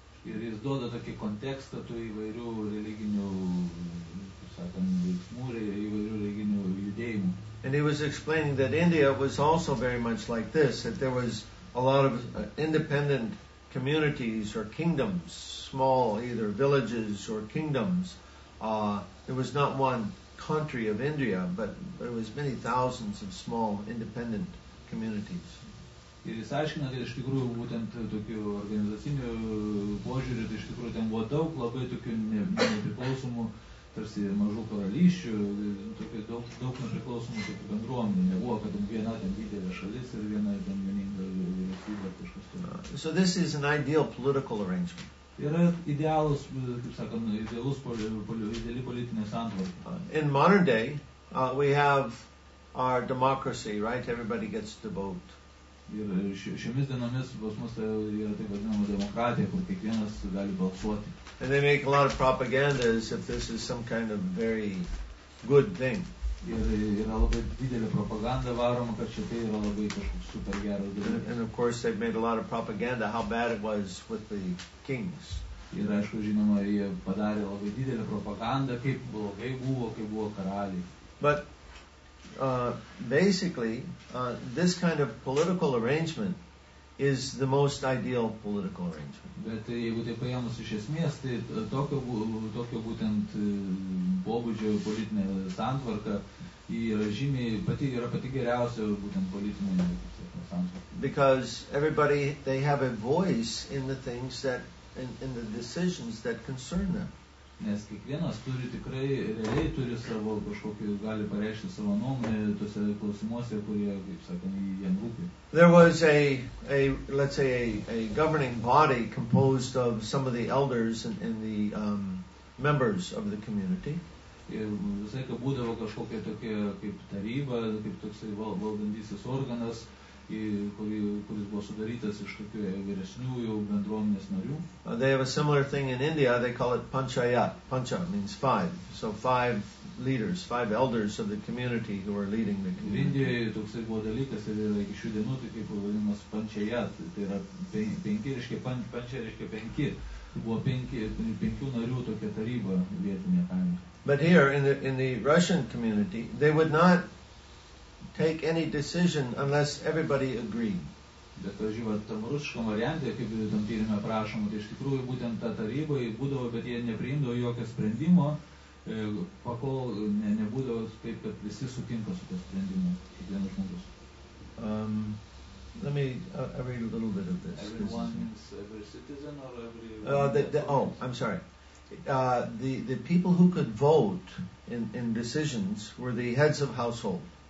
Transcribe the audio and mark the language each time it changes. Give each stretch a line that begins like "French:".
Lithuanian: Ir jis duoda tokį kontekstą tų įvairių religinių, sakant, veiksmų, įvairių religinių judėjimų.
English: And he was explaining that India was also very much like this, that there was a lot of independent communities or kingdoms, small either villages or kingdoms. There was not one country of India, but there was many thousands of small independent communities.
Lithuanian: Ir jis aiškina, kad iš tikrųjų būtent tokių organizacinių požiūrių, tai iš tikrųjų ten buvo daug labai tokių nepriklausomų, tarsi mažų karalysčių, tokių daug nepriklausomų tokių bendruomenių. Nebuvo, kad viena ten didelė šalis ir viena ten vieninga vyriausybė ar kažkas to.
English: So this is an ideal political arrangement.
Lithuanian: Yra idealus, kaip sakant, idealus ideali politinė santvarka.
English: In modern day, we have our democracy, right? Everybody gets to vote.
Lithuanian: Ir šiomis dienomis pas mus yra taip vadinama demokratija, kur kiekvienas gali balsuoti.
English: And they make a lot of propaganda as if this is some kind of very good thing.
Lithuanian: Ir yra labai didelė propaganda varoma, kad čia tai yra labai kažkoks super geras dalykas.
English: And of course they've made a lot of propaganda how bad it was with the kings.
Lithuanian: Ir aišku, žinoma, jie padarė labai didelę propagandą, kaip blogai buvo, kaip buvo karaliai.
English: But basically, this kind of political arrangement is the most ideal political arrangement.
Lithuanian: Bet jeigu tai paėmus iš esmės, tai tokio būtent pobūdžio politinė santvarka yra pati geriausia būtent politinė santvarka.
English: Because everybody, they have a voice in the things that, in the decisions that concern them.
Lithuanian: Nes kiekvienas turi tikrai, realiai turi savo, kažkokį gali pareikšti savo nuomonę tose klausimuose, kurie, kaip sakant, jiem rūpi.
English: There was a governing body composed of some of the elders and the members of the community.
Lithuanian: Ir visai, kad būdavo kažkokia tokia kaip taryba, kaip toksai valdantysis organas, kuris buvo sudarytas iš tokių vyresniųjų bendruomenės narių.
English: They have a similar thing in India, they call it panchayat. Pancha means five. So five leaders, five elders of the community who are leading the community.
Lithuanian: Indijoje toksai buvo dalykas, ir yra iki šių dienų, tai kaip vadinamas panchayat. Tai yra penki, reiškia pancha, reiškia penki. Tai buvo penkių narių tokia taryba vietinė kaime.
English: But here, in the Russian community, they would not take any decision unless everybody agreed.
Lithuanian: Bet pavyzdžiui, tam rusiškom variante, kaip tam tyrime prašoma, tai iš tikrųjų būtent ta taryba būdavo, bet jie nepriimdavo jokio sprendimo, pakol nebūdavo taip, kad visi sutinka su to sprendimu, kiekvienas žmogus.
English: Let me read a little bit of this. The people who could vote in decisions were the heads of household.